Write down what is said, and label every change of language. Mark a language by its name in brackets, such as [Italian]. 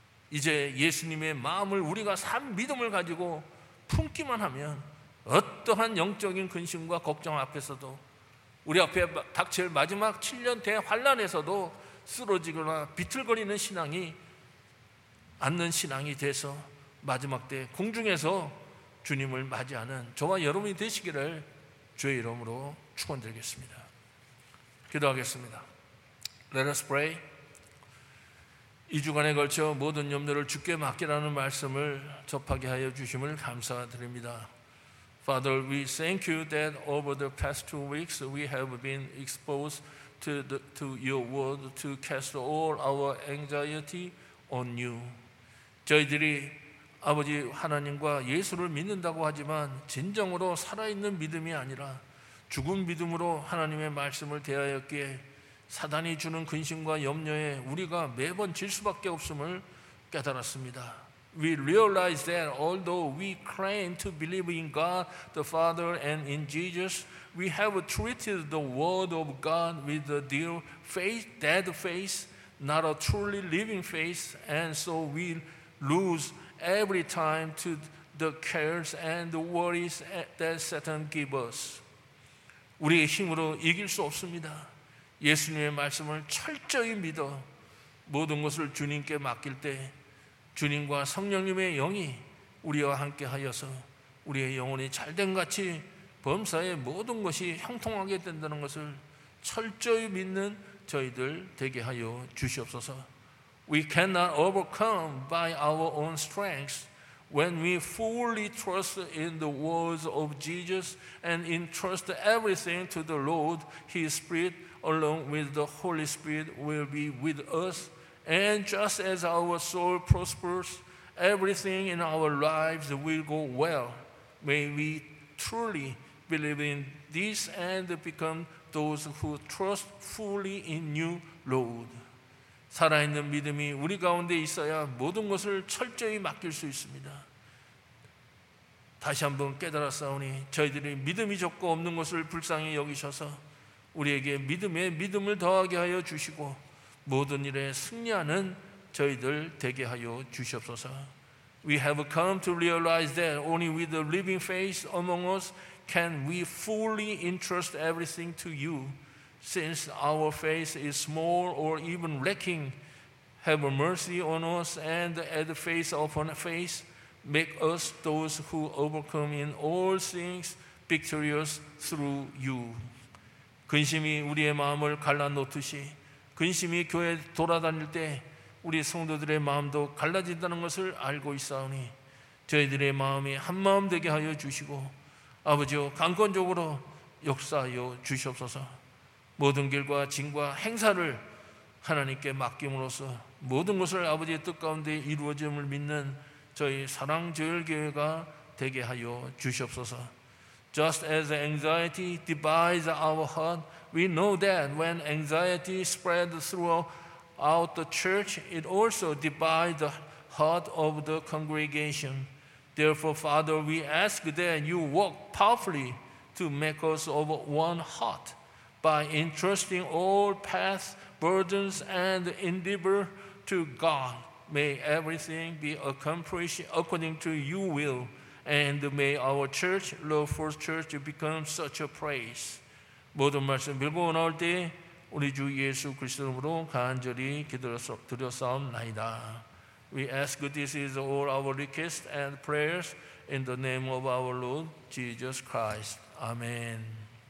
[Korean] 이제 예수님의 마음을 우리가 산 믿음을 가지고 품기만 하면 어떠한 영적인 근심과 걱정 앞에서도, 우리 앞에 닥칠 마지막 7년 대환란에서도 쓰러지거나 비틀거리는 신앙이 않는 신앙이 돼서 마지막 때 공중에서 주님을 맞이하는 저와 여러분이 되시기를 주의 이름으로 축원드리겠습니다. 기도하겠습니다. [English] Let us pray. [Korean] 2주간에 걸쳐 모든 염려를 주께 맡기라는 말씀을 접하게 하여 주심을 감사드립니다. [English] Father, we thank you that over the past 2 weeks we have been exposed to your word to cast all our anxiety on you. [Korean] 저희들이 아버지 하나님과 예수를 믿는다고 하지만 진정으로 살아있는 믿음이 아니라 죽은 믿음으로 하나님의 말씀을 대하였기에 사단이 주는 근심과 염려에 우리가 매번 질 수밖에 없음을 깨달았습니다. [English] We realize that although we claim to believe in God the Father and in Jesus, we have treated the word of God with a dear faith, dead faith, not a truly living faith, and so we lose every time to the cares and the worries that Satan gives us. [Korean] 우리의 힘으로 이길 수 없습니다. 예수님의 말씀을 철저히 믿어 모든 것을 주님께 맡길 때 주님과 성령님의 영이 우리와 함께 하여서 우리의 영혼이 잘된 같이 범사에 모든 것이 형통하게 된다는 것을 철저히 믿는 저희들 되게 하여 주시옵소서. [English] We cannot overcome by our own strengths. When we fully trust in the words of Jesus and entrust everything to the Lord, His Spirit along with the Holy Spirit will be with us. And just as our soul prospers, everything in our lives will go well. May we truly believe in this and become those who trust fully in you, Lord. [Korean] 살아있는 믿음이 우리 가운데 있어야 모든 것을 철저히 맡길 수 있습니다. 다시 한번 깨달았사오니 저희들이 믿음이 적고 없는 것을 불쌍히 여기셔서 우리에게 믿음에 믿음을 더하게 하여 주시고 모든 일에 승리하는 저희들 되게 하여 주시옵소서. [English] We have come to realize that only with a living faith among us can we fully entrust everything to you. Since our faith is small or even lacking, have mercy on us and add faith upon faith. Make us those who overcome in all things victorious through you. [Korean] 근심이 우리의 마음을 갈라놓듯이 근심이 교회 돌아다닐 때 우리 성도들의 마음도 갈라진다는 것을 알고 있사오니 저희들의 마음이 한마음 되게 하여 주시고 아버지여 강권적으로 역사하여 주시옵소서. 모든 길과 진과 행사를 하나님께 맡김으로써 모든 것을 아버지의 뜻 가운데 이루어짐을 믿는 저희 사랑조열교회가 되게 하여 주시옵소서. [English] Just as anxiety divides our heart, we know that when anxiety spreads throughout the church, it also divides the heart of the congregation. Therefore, Father, we ask that you work powerfully to make us of one heart by entrusting all paths, burdens, and endeavor to God. May everything be accomplished according to your will, and may our church, Lord First Church, become such a praise. [Korean] 모든 말씀 빌고 나올 때 우리 주 예수 그리스도로 간절히 기도드렸사옵나이다. [English] We ask this is all our requests and prayers in the name of our Lord Jesus Christ. Amen.